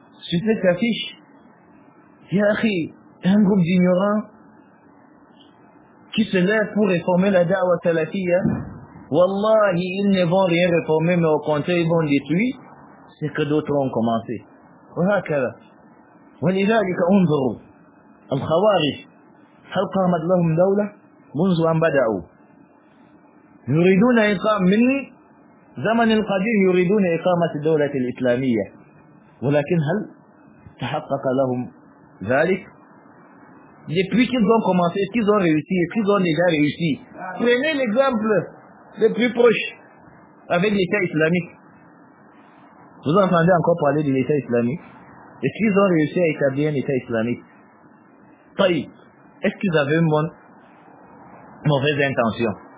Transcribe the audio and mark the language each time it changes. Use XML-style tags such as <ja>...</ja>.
<ar>سنة تافيش يا أخي</ar> <fr>un groupe d'ignorants qui se lèvent pour réformer la da'wa salafia, wallahi, ils ne vont rien réformer, mais au contraire, ils vont détruire ce que d'autres ont commencé.</fr> <ar>وهكذا. ولذلك انظروا الخوارج هل قامت لهم دولة منذ أن بدأوا يريدون إقامة من زمن القديم يريدون إقامة الدولة الإسلامية ولكن هل تحقق لهم ذلك؟</ar> <fr>Depuis qu'ils ont commencé, est-ce qu'ils ont réussi? Est-ce qu'ils ont déjà réussi? Prenez l'exemple le plus proche avec l'État islamique. Vous entendez encore parler de l'État islamique? Est-ce qu'ils ont réussi à établir un État islamique? Taï, est-ce qu'ils avaient une bonne, mauvaise intention?</fr>